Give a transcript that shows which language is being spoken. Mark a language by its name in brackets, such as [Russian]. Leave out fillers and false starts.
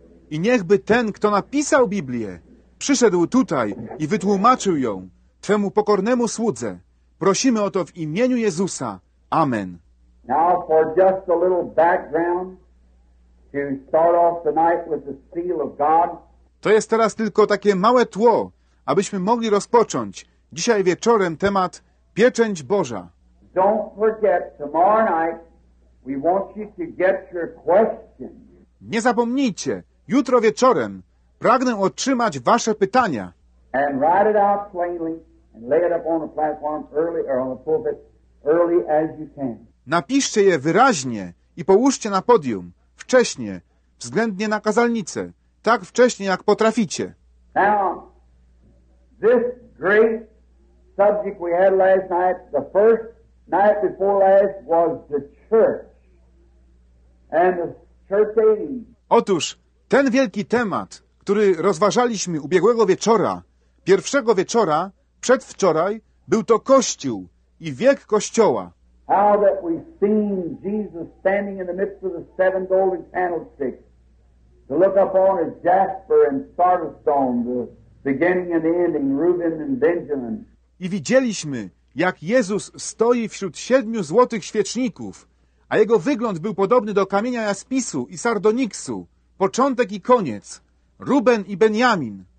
[Polish] I niechby ten, kto napisał Biblię, przyszedł tutaj i wytłumaczył ją Twemu pokornemu słudze. Prosimy o to w imieniu Jezusa. Amen. [English] Now for just a little background to start off tonight with the seal of God. [Polish] To jest teraz tylko takie małe tło, abyśmy mogli rozpocząć dzisiaj wieczorem temat pieczęć Boża. [English] Don't forget, tomorrow night we want you to get your questions. [Polish] Nie zapomnijcie, jutro wieczorem pragnę otrzymać Wasze pytania. [English] And write it out plainly and lay it up on the platform early or on the pulpit early as you can. [Polish] Napiszcie je wyraźnie i połóżcie na podium wcześnie, względnie na kazalnicę, tak wcześnie jak potraficie. [English] Now, this great subject we had last night, the first night before last, was the church and the church age. [Polish] Otóż ten wielki temat, który rozważaliśmy ubiegłego wieczora, pierwszego wieczora, przedwczoraj, był to Kościół i wiek Kościoła. [English] How that we've seen Jesus standing in the midst of the seven golden candlesticks, to look upon as jasper and sardis stone, the beginning and the ending, Reuben and Benjamin. [Polish] I widzieliśmy, jak Jezus stoi wśród siedmiu złotych świeczników, a Jego wygląd był podobny do kamienia jaspisu i sardoniksu, początek i koniec, Ruben i Benjamin.